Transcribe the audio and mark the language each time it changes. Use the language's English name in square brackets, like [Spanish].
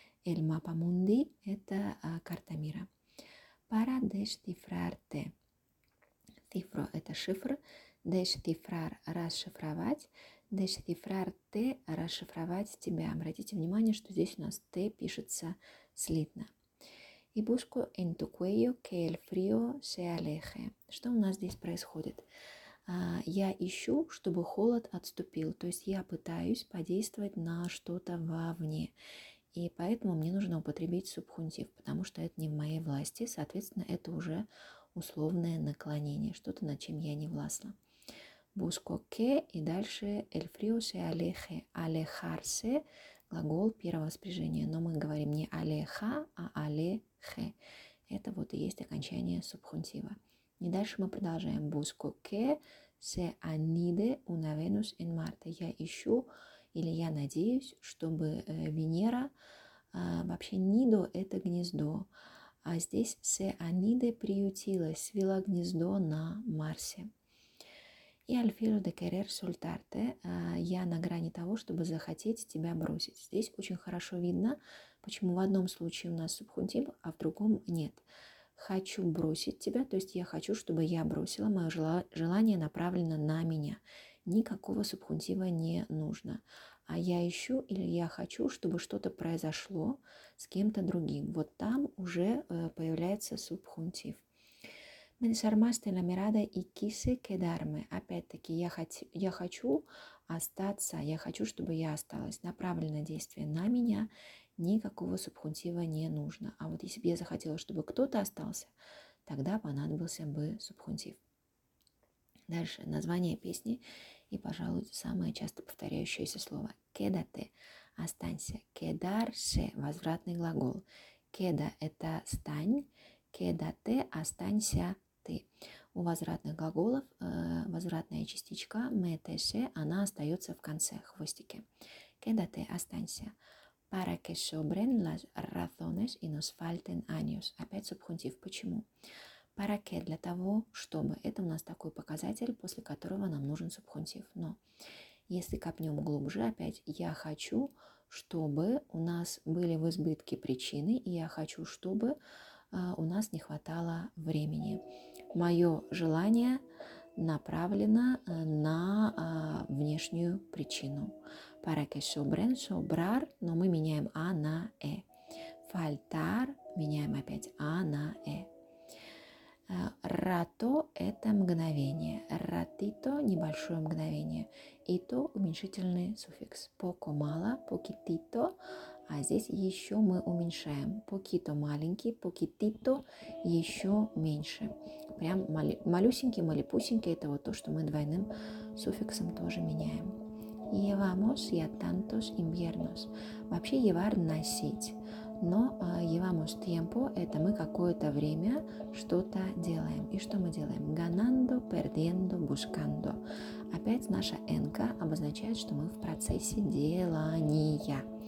[Spanish] El mapa mundi [Russian] – это карта мира. [Spanish] Para descifrarte. [Russian] Цифра – это шифр. Descifrar – расшифровать. Descifrarte – расшифровать тебя. Обратите внимание, что здесь у нас «т» пишется слитно. [Spanish] Y busco en tu cuello que el frío se aleje. [Russian] Что у нас здесь происходит? Я ищу, чтобы холод отступил. То есть я пытаюсь подействовать на что-то вовне. И поэтому мне нужно употребить субхунтив, потому что это не в моей власти. Соответственно, это уже условное наклонение, что-то, над чем я не властна. Busco que, и дальше [Spanish] el frío se aleje. [Russian] Alejarse – глагол первого спряжения, но мы говорим не aleja, а aleje. Это вот и есть окончание субхунтива. И дальше мы продолжаем. [Spanish] Busco que se anide una Venus en Marte. [Russian] Я ищу, или я надеюсь, чтобы Венера, вообще nido – это гнездо, а здесь se anide – приютилась, свела гнездо на Марсе. И [Spanish] al filo de querer soltarte [Russian] – я на грани того, чтобы захотеть тебя бросить. Здесь очень хорошо видно, почему в одном случае у нас субхунтив, а в другом нет. Хочу бросить тебя, то есть я хочу, чтобы я бросила, мое желание направлено на меня. Никакого субхунтива не нужно. А я ищу или я хочу, чтобы что-то произошло с кем-то другим. Вот там уже появляется субхунтив. [Spanish] Me desarmaste la mirada y quise quedarme. [Russian] Опять-таки, я хочу остаться, я хочу, чтобы я осталась. Направлено действие на меня, никакого субхунтива не нужно. А вот если бы я захотела, чтобы кто-то остался, тогда понадобился бы субхунтив. Дальше название песни и, пожалуй, самое часто повторяющееся слово «кедате» – «останься». «Кедарсе» – возвратный глагол. «Кеда» – это «стань», «кедате» – «останься ты». У возвратных глаголов возвратная частичка «метэсе» – она остается в конце хвостики. «Кедате» – «останься». [Spanish] «Para que sobren las razones y nos falten años». [Russian] Опять субхунтив «почему». «Para que» – для того, чтобы. Это у нас такой показатель, после которого нам нужен субхунтив. Но если копнем глубже, опять «я хочу», чтобы у нас были в избытке причины, и я хочу, чтобы у нас не хватало времени. Мое желание направлено на внешнюю причину. [Spanish] Para que sobren, [Russian] sobrar, но мы меняем «а» на «э». Faltar, меняем опять «а» на «э». Rato – это мгновение. Ratito – небольшое мгновение. Ito – уменьшительный суффикс. Poco – мало. Poquitito – а здесь еще мы уменьшаем. Poquito – маленький. Poquitito – еще меньше. Прям малюсенький, малепусенький – это вот то, что мы двойным суффиксом тоже меняем. [Spanish] Llevamos ya tantos inviernos. [Russian] Вообще llevar – носить. Но [Spanish] llevamos tiempo [Russian] – это мы какое-то время что-то делаем. И что мы делаем? [Spanish] Ganando, perdiendo, buscando. [Russian] Опять наша N-ка обозначает, что мы в процессе делания.